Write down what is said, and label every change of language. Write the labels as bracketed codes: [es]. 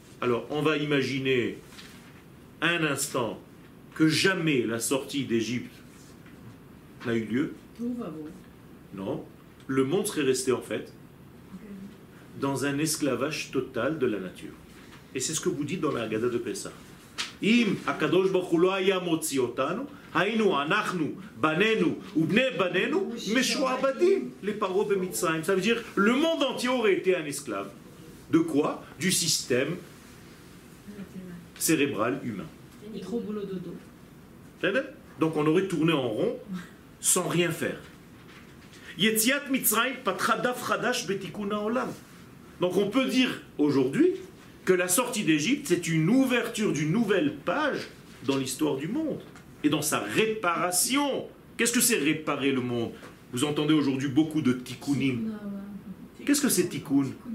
[fr] Alors on va imaginer un instant que jamais la sortie d'Égypte n'a eu lieu. Tout va bon. Non, le monde serait resté en fait dans un esclavage total de la nature. Et c'est ce que vous dites dans la Haggadah de Pessah. [he] אם הקדוש ברוך הוא לא היה מוציא אותנו, היינו אנחנו, בנינו ובני בנינו, משועבדים לפרעה במצרים. [fr] Ça veut dire, le monde entier aurait été un esclave. De quoi? Du système cérébral humain. Trop boulot dodo. Donc on aurait tourné en rond sans rien faire. [he] יציאת מצרים פתחה דף חדש בתיקון העולם. [fr] Donc on peut dire aujourd'hui que la sortie d'Égypte, c'est une ouverture d'une nouvelle page dans l'histoire du monde et dans sa réparation. Qu'est-ce que c'est réparer le monde? Vous entendez aujourd'hui beaucoup de tikkunim. Qu'est-ce que c'est tikkun?